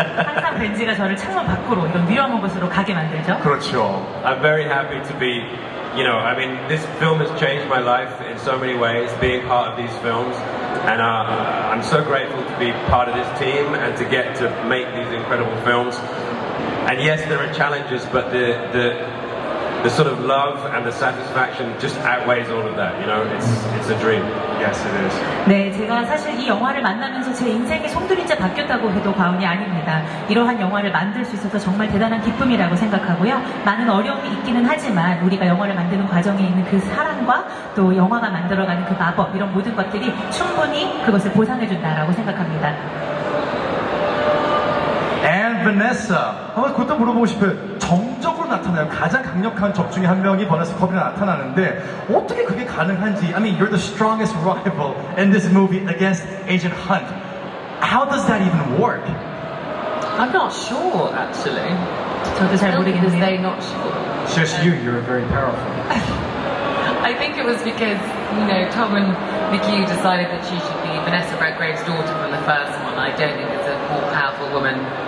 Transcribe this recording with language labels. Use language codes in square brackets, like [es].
[ko] 항상 벤지가 저를 창문 밖으로 이런 위험한 곳으로 가게 만들죠. 그렇죠. [en] I'm very happy to be, you know, I mean, this film has changed my life in so many ways, being part of these films. And I'm so grateful to be part of this team and to get to make these incredible films. And yes, there are challenges, but the sort of love and the satisfaction just outweighs all of that, you know? It's a dream. Yes, it is. [ko] 네, 제가 사실 이 영화를 만나면서 제 인생이 송두리째 바뀌었다고 해도 과언이 아닙니다. 이러한 영화를 만들 수 있어서 정말 대단한 기쁨이라고 생각하고요. 많은 어려움이 있기는 하지만 우리가 영화를 만드는 과정에 있는 그 사랑과 또 영화가 만들어가는 그 마법, 이런 모든 것들이 충분히 그것을 보상해준다라고 생각합니다. And Vanessa, 한번 그것도 물어보고 싶어요. 정적으로 나타나요. 가장 강력한 적 중에 한 명이 바네사커비로 나타나는데 어떻게 그게 가능한지. [en] I mean, you're the strongest rival in this movie against Agent Hunt. How does that even work? I'm not sure, actually. [ko] 저도 잘 모르겠는데. [en] They're not sure. It's just you. You're very powerful. I think it was because, you know, Tom and McHugh decided that she should be Vanessa Redgrave's daughter from the first one. I don't think it's a more powerful woman